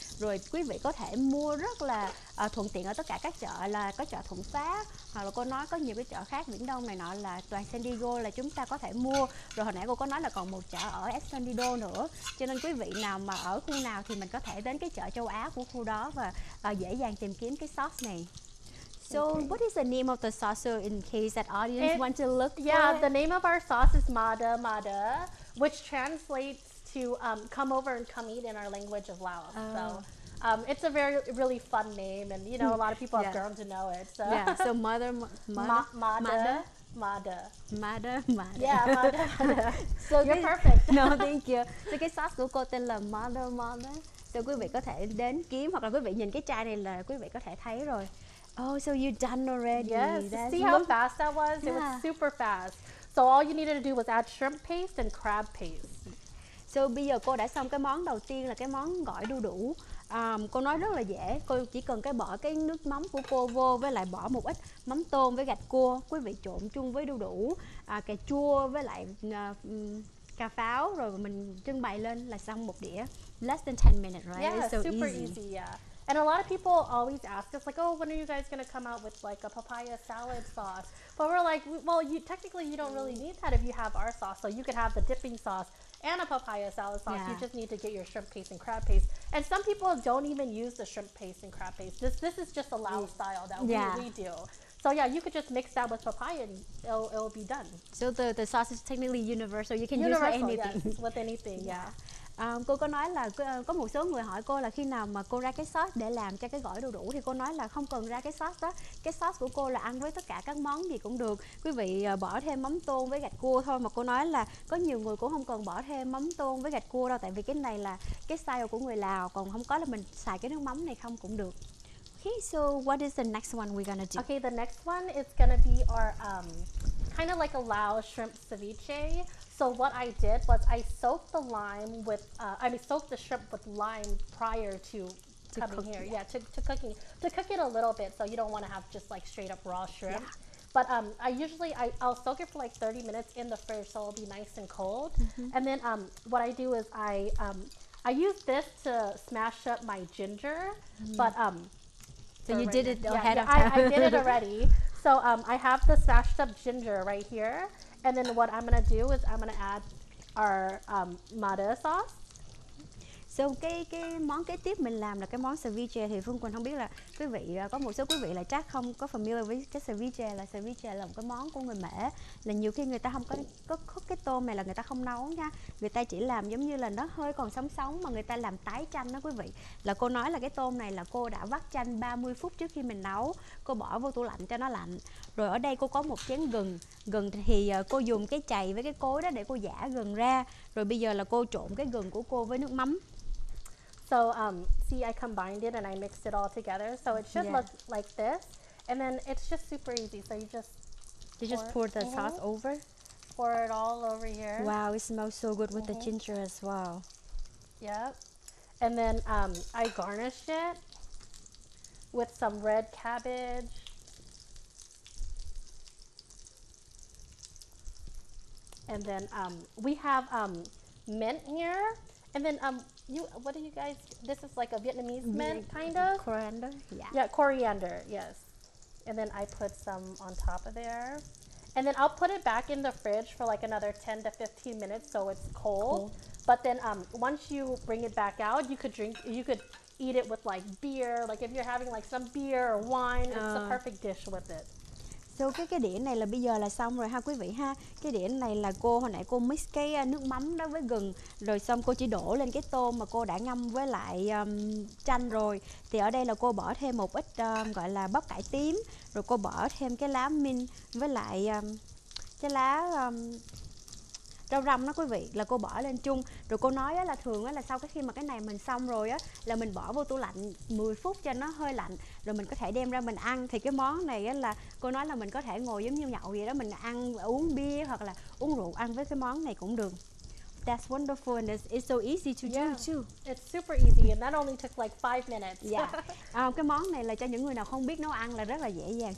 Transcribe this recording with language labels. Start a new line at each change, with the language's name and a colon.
Vietnamese: Rồi quý vị có thể mua rất là thuận tiện ở tất cả các chợ, là có chợ Thuận Phát, hoặc là cô nói có nhiều cái chợ khác Viễn Đông này nọ, là toàn San Diego là chúng ta có thể mua. Rồi hồi nãy cô có nói là còn một chợ ở Escondido nữa, cho nên quý vị nào mà ở khu nào thì mình có thể đến cái chợ châu Á của khu đó và dễ dàng tìm kiếm cái sauce này.
English: So okay. What is the name of the sauce, so in case that audience want to look for? Yeah, the name of our sauce is Mada Mada, which translates to come over and come eat in our language of Laos. It's a very really fun name, and you know, a lot of people have grown to know it. So yeah, so Mother Mada Mada Mada Mada. Yeah, Mada Mada. So you're perfect. No, thank you.
Vietnamese: So cái sauce của cô tên là Mada Mada. So quý vị có thể đến kiếm, hoặc là quý vị nhìn cái chai này là quý vị có thể thấy rồi.
English: Oh, so you done already? Yes. See how fast that was? Yeah. It was super fast. So all you needed to do was add shrimp paste and crab paste.
Vietnamese: So bây giờ cô đã xong cái món đầu tiên là cái món gỏi đu đủ. Cô nói rất là dễ, cô chỉ cần cái bỏ cái nước mắm của cô vô, với lại bỏ một ít mắm tôm với gạch cua, quý vị trộn chung với đu đủ, cà chua với lại cà pháo, rồi mình trưng bày lên là xong một đĩa.
English: Less than 10 minutes, right? Yeah, it's so super easy. Yeah. And a lot of people always ask us like, oh, when are you guys going to come out with like a papaya salad sauce? But we're like, well, you technically don't really need that if you have our sauce, so you could have the dipping sauce and a papaya salad sauce. Yeah. You just need to get your shrimp paste and crab paste. And some people don't even use the shrimp paste and crab paste. This is just a Lao style that we do. So yeah, you could just mix that with papaya and it'll be done. So the sauce is technically universal. You can use for anything. Yes, with anything, yeah.
Vietnamese: Cô có nói là có một số người hỏi cô là khi nào mà cô ra cái sauce để làm cho cái gỏi đu đủ, thì cô nói là không cần ra cái sauce đó. Cái sauce của cô là ăn với tất cả các món gì cũng được. Quý vị bỏ thêm mắm tôm với gạch cua thôi, mà cô nói là có nhiều người cũng không cần bỏ thêm mắm tôm với gạch cua đâu, tại vì cái này là cái style của người Lào, còn không có là mình xài cái nước mắm này không cũng được.
English: Okay, so what is the next one we're gonna do? Okay, the next one is gonna be our kind of like a Lao shrimp ceviche. So what I did was I soaked the lime with, soaked the shrimp with lime prior to coming cook, here. Yeah, to cooking. To cook it a little bit, so you don't want to have just like straight up raw shrimp. Yeah. But I'll soak it for like 30 minutes in the fridge, so it'll be nice and cold. Mm-hmm. And then what I do is I use this to smash up my ginger. Mm-hmm. But I did it already. So I have the smashed up ginger right here. And then what I'm gonna do is I'm gonna add our mada sauce.
Vietnamese: So cái món kế tiếp mình làm là cái món ceviche, thì Phương Quỳnh không biết là quý vị có một số quý vị là chắc không có familiar với cái ceviche. Là ceviche là một cái món của người Mẽ, là nhiều khi người ta không có cook cái tôm này, là người ta không nấu nha, người ta chỉ làm giống như là nó hơi còn sống sống mà người ta làm tái chanh đó quý vị. Là cô nói là cái tôm này là cô đã vắt chanh 30 phút trước khi mình nấu, cô bỏ vô tủ lạnh cho nó lạnh. Rồi ở đây cô có một chén gừng, gừng thì cô dùng cái chày với cái cối đó để cô giã gừng ra. Rồi bây giờ là cô trộn cái gừng của cô với nước mắm.
English: So see, I combined it and I mixed it all together, so it should look like this. And then it's just super easy. So you just pour the sauce over. Pour it all over here. Wow, it smells so good with the ginger as well. Yep. And then I garnish it with some red cabbage. And then we have mint here. And then this is like a Vietnamese mint, kind of? Coriander, yeah. Yeah, coriander, yes. And then I put some on top of there. And then I'll put it back in the fridge for like another 10 to 15 minutes so it's cold. But then once you bring it back out, you could eat it with like beer. Like if you're having like some beer or wine, it's the perfect dish with it.
Vietnamese: So cái đĩa này là bây giờ là xong rồi ha quý vị ha. Cái đĩa này là cô hồi nãy cô mix cái nước mắm đó với gừng, rồi xong cô chỉ đổ lên cái tôm mà cô đã ngâm với lại chanh rồi. Thì ở đây là cô bỏ thêm một ít gọi là bắp cải tím, rồi cô bỏ thêm cái lá mint với lại cái lá rau răm đó quý vị, là cô bỏ lên chung. Rồi cô nói là thường là sau cái khi mà cái này mình xong rồi á, là mình bỏ vô tủ lạnh 10 phút cho nó hơi lạnh, rồi mình có thể đem ra mình ăn. Thì cái món này á, là cô nói là mình có thể ngồi giống như nhậu vậy đó, mình ăn uống bia hoặc là uống rượu ăn với cái món này cũng được.
English: That's wonderful, and it's so easy to do too. It's super easy, and that only took like 5 minutes. Yeah.
Vietnamese: Cái món này là cho những người nào không biết nấu ăn là rất là dễ dàng.